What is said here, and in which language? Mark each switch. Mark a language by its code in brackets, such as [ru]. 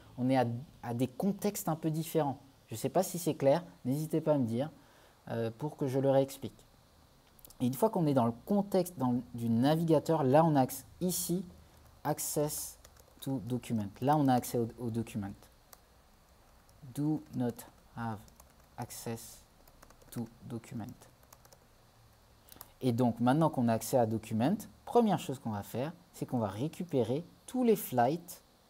[fr] On est à des contextes un peu différents. Je ne sais pas si c'est clair, n'hésitez pas à me dire pour que je le réexplique. Et une fois qu'on est dans le contexte du navigateur, là on a ici [en] access to document. [fr] Là on a accès au document. [en] Do not have access to document. [fr] Et donc maintenant qu'on a accès à document, première chose qu'on va faire, c'est qu'on va récupérer tous les flights.